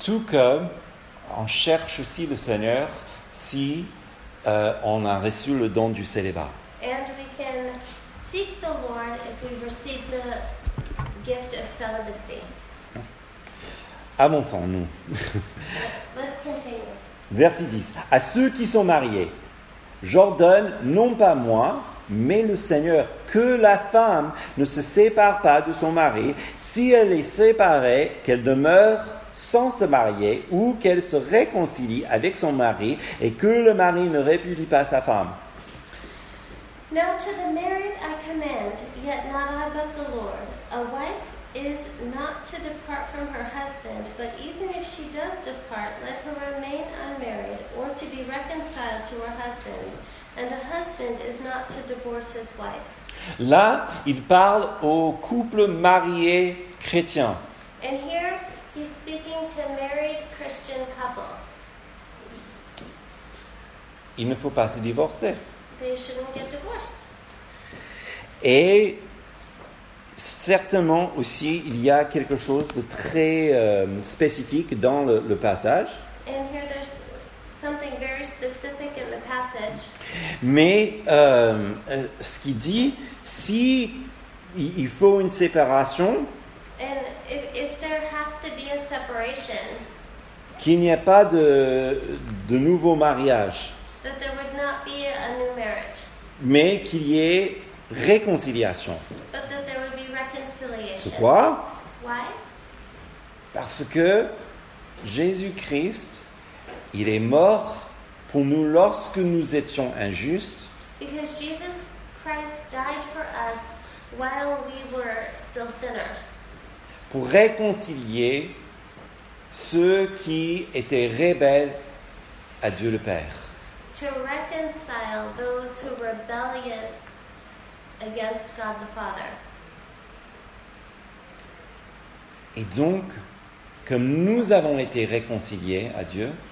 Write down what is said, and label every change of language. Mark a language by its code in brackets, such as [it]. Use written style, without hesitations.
[fr] Tout comme on cherche aussi le Seigneur si on a reçu le don du célibat. [en] And we can seek the Lord if we receive the gift of celibacy. [fr] Avançons-nous. [en] Let's continue. [fr] Verset 10. À ceux qui sont mariés, j'ordonne non pas moi, mais le Seigneur, que la femme ne se sépare pas de son mari. Si elle est séparée, qu'elle demeure sans se marier ou qu'elle se réconcilie avec son mari et que le mari ne répudie pas sa femme. [en] Now to the married I command, yet not I but the Lord. A wife is not to depart from her husband, but even if she does depart, let her remain unmarried or to be reconciled to her husband. And a husband is not to divorce his wife. [fr] Là, il parle au couple marié chrétien. [en] And here, he's speaking to married Christian couples. [fr] Il ne faut pas se divorcer. [en] They shouldn't get divorced. [fr] Et certainement aussi, il y a quelque chose de très spécifique dans le passage. [en] And here there's something very specific in the passage. [fr] Mais ce qu'il dit, si il faut une séparation, [en] and if there has to be a separation, [fr] qu'il n'y ait pas de nouveau mariage, [en] that there would not be a new marriage, [fr] mais qu'il y ait réconciliation. [en] But that there would be reconciliation. [fr] Pourquoi? [en] Why? [fr] Parce que Jésus-Christ, il est mort pour nous lorsque nous étions injustes. [en] Because Jesus Christ died for us while we were still sinners. [fr] Pour réconcilier ceux qui étaient rebelles à Dieu le Père. [en] To reconcile those who were rebellious against God the Father. [fr] Et donc, comme nous avons été réconciliés à Dieu,